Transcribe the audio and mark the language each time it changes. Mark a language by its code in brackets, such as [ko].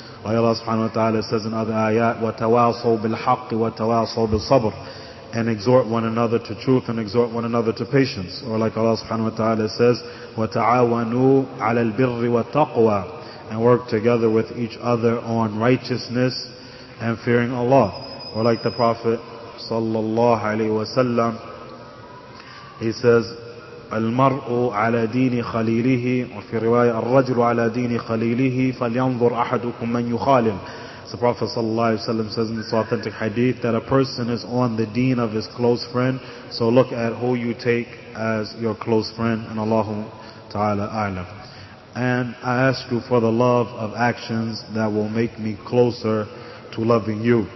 [en] Allah subhanahu wa ta'ala says in other ayat, [ar] وَتَوَاصَوْ بِالْحَقِّ وَتَوَاصَوْ بِالصَّبْرِ, [en] and exhort one another to truth and exhort one another to patience. Or like Allah subhanahu wa ta'ala says, [ar] وَتَعَاوَنُوا عَلَى الْبِرِّ وَالتَّقْوَى, [en] and work together with each other on righteousness and fearing Allah. Or like the Prophet sallallahu alayhi wa sallam, he says, [ar] المرء على دين خليله, وفي رواية الرجل على دين خليله فلينظر أحدكم من يخالل. [en] So Prophet sallallahu alayhi wa sallam says in this authentic hadith that a person is on the deen of his close friend, so look at who you take as your close friend. And Allahu ta'ala a'lam. And I ask you for the love of actions that will make me closer to loving you.